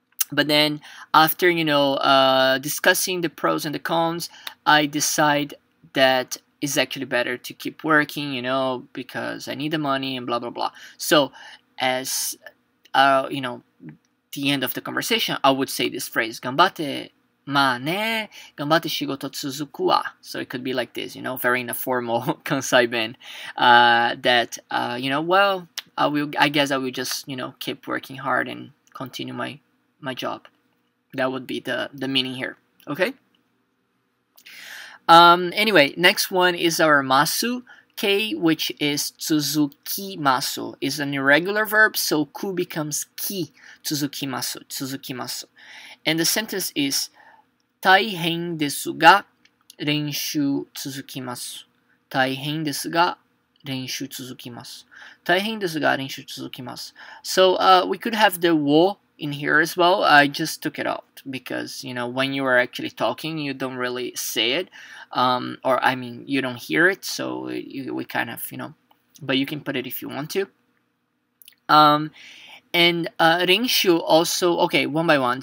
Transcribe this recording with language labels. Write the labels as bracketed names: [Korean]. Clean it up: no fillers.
[English] But then after, you know, discussing the pros and the cons, I decide that it's actually better to keep working, you know, because I need the money and blah blah blah. So as you know, the end of the conversation, I would say this phrase, ganbatte [Japanese] まあね、頑張って仕事続くわ。 [English] So it could be like this, you know, very in a formal Kansai ben, that, you know, well, I guess I will just, you know, keep working hard and continue my job. That would be the meaning here. Okay? Anyway, next one is our masu k, which is tsuzukimasu. It's an irregular verb, so ku becomes ki, tsuzukimasu, tsuzukimasu. [Japanese] And the sentence is, 大変ですが練習続きます。大変ですが練習続きます。大変ですが練習続きます。 [English] So, we could have the wo in here as well. I just took it out because, you know, when you are actually talking, you don't really say it. Or, I mean, you don't hear it. So, we kind of, you know, but you can put it if you want to. And renshu also, okay, one by one.